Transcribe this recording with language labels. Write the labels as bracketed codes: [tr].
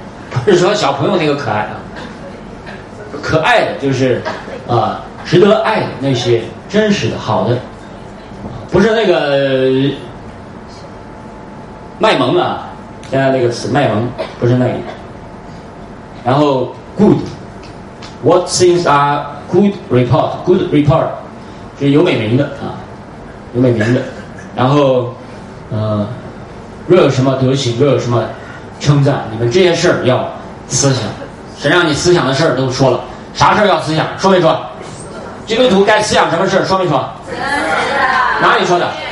[zh] 不是说小朋友那个可爱啊，可爱的就是值得爱的那些真实的好的，不是那个卖萌啊，现在那个词卖萌不是那个。 [en] 然后 good，what things are good report? [zh] Good report 是有美名的啊，有美名的。然后若有什么德行，若有什么称赞，你们这些事儿要思想。神让你思想的事儿都说了，啥事儿要思想？说没说？基督徒该思想什么事儿？说没说？哪里说的？